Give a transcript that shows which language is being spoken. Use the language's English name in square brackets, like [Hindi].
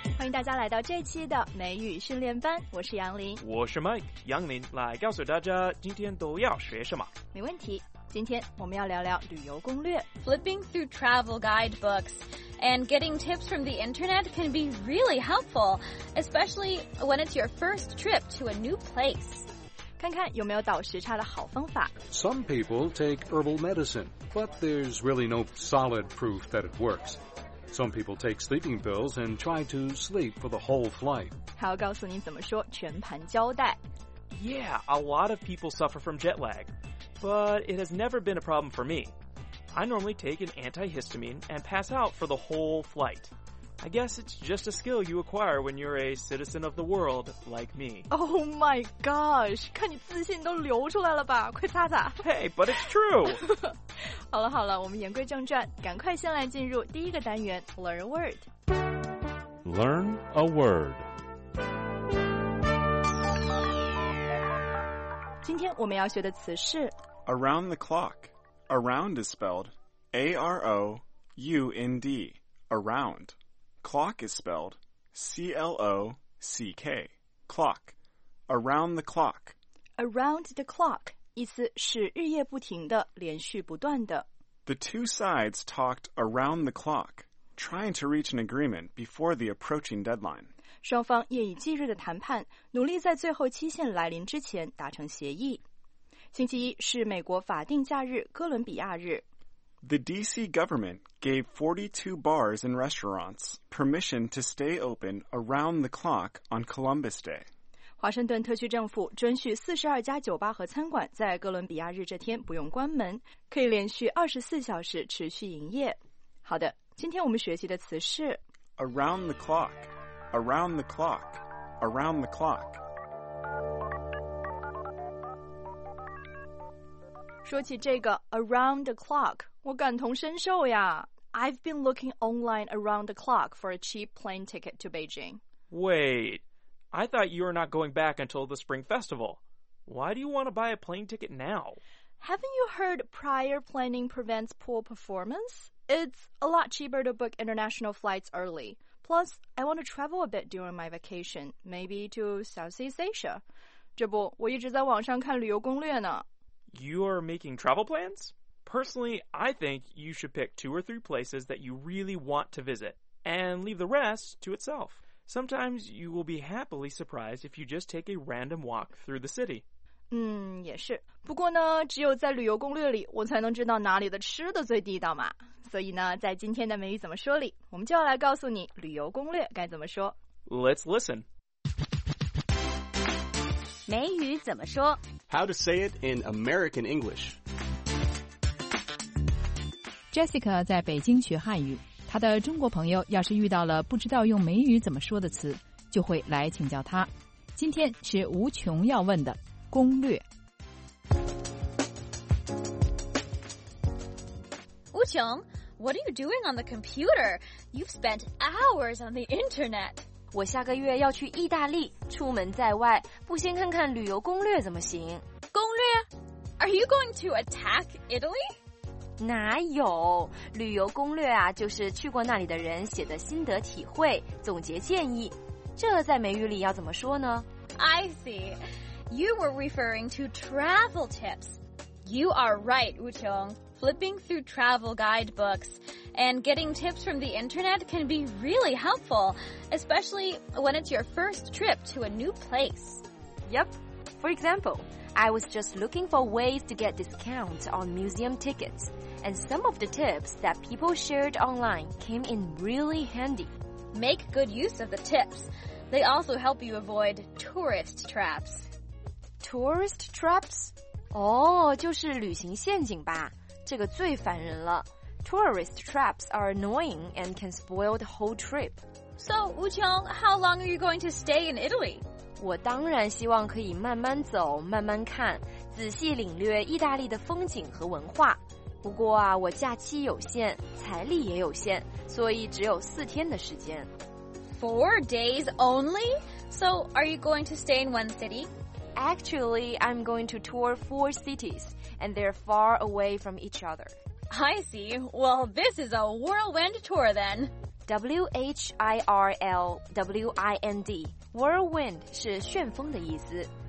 [Chinese] 大家来到这期的美语训练班，我是杨林，我是 Mike 杨林，来告诉大家今天都要学什么。没问题，今天我们要聊聊旅游攻略。 [English] Flipping through travel guidebooks and getting tips from the internet can be really helpful, especially when it's your first trip to a new place. [Chinese] 看看有没有倒时差的好方法。 [English] Some people take herbal medicine, but there's really no solid proof that it works. Some people take sleeping pills and try to sleep for the whole flight. [Chinese] 还要告诉你怎么说全盘交代。 [English] Yeah, a lot of people suffer from jet lag, but it has never been a problem for me. I normally take an antihistamine and pass out for the whole flight. I guess it's just a skill you acquire when you're a citizen of the world like me. Oh my gosh, [Chinese] 看你自信都流出来了吧，快擦擦。 [English] Hey, but it's true. [Chinese] 好了好了，我们言归正传，赶快先来进入第一个单元 [English] Learn a word. Learn a word. [Chinese] 今天我们要学的词是 [English] Around the clock. Around is spelled A-R-O-U-N-D. Around. Clock is spelled C-L-O-C-K. Clock. Around the clock. Around the clock. [Chinese] 意思是日夜不停的，连续不断的。 [English] The two sides talked around the clock, trying to reach an agreement before the approaching deadline. [Chinese] 双方夜以继日的谈判，努力在最后期限来临之前达成协议。星期一是美国法定假日哥伦比亚日。 [English] The D.C. government gave 42 bars and restaurants permission to stay open around the clock on Columbus Day. [Chinese] 华盛顿特区政府准许42家酒吧和餐馆在哥伦比亚日这天不用关门，可以连续24小时持续营业。好的，今天我们学习的词是 [English] Around the clock, around the clock, around the clock. [Chinese] 说起这个 around the clock, 我感同身受呀。 [English] I've been looking online around the clock for a cheap plane ticket to Beijing. Wait. I thought you were not going back until the Spring Festival. Why do you want to buy a plane ticket now? Haven't you heard prior planning prevents poor performance? It's a lot cheaper to book international flights early. Plus, I want to travel a bit during my vacation, maybe to Southeast Asia. [Chinese] 这不，我一直在网上看旅游攻略呢。 [English] You are making travel plans? Personally, I think you should pick two or three places that you really want to visit and leave the rest to itself. Sometimes you will be happily surprised if you just take a random walk through the city. [Chinese] 也是。不过呢，只有在旅游攻略里，我才能知道哪里的吃的最地道嘛。所以呢，在今天的美语怎么说里，我们就要来告诉你旅游攻略该怎么说。 [English] Let's listen. [Chinese] 美语怎么说 [English] ？How to say it in American English? [Chinese] Jessica 在北京学汉语。他的中国朋友要是遇到了不知道用美语怎么说的词，就会来请教他。今天是无穷要问的攻略。 [English] 无穷 ，What are you doing on the computer? You've spent hours on the internet. [Chinese] 我下个月要去意大利，出门在外，不先看看旅游攻略怎么行？ [English] 攻略 ？Are you going to attack Italy? [Chinese] 哪有旅游攻略啊，就是去过那里的人写的心得体会总结建议，这在美语里要怎么说呢？ [English] I see you were referring to travel tips. You are right, Wu Qiong. Flipping through travel guidebooks and getting tips from the internet can be really helpful, especially when it's your first trip to a new place. Yep. For example, I was just looking for ways to get discounts on museum tickets. And some of the tips that people shared online came in really handy. Make good use of the tips. They also help you avoid tourist traps. Tourist traps? Oh, [Chinese] 就是旅行陷阱吧。这个最烦人了。 [English] Tourist traps are annoying and can spoil the whole trip. So, Wu Qiong, how long are you going to stay in Italy? [Chinese] 我当然希望可以慢慢走，慢慢看，仔细领略意大利的风景和文化。不过啊，我假期有限，财力也有限，所以只有四天的时间。 [English] Four days only? So, are you going to stay in one city? Actually, I'm going to tour four cities, and they're far away from each other. I see. Well, this is a whirlwind tour then. [Chinese] whirlwind, whirlwind 是旋风的意思。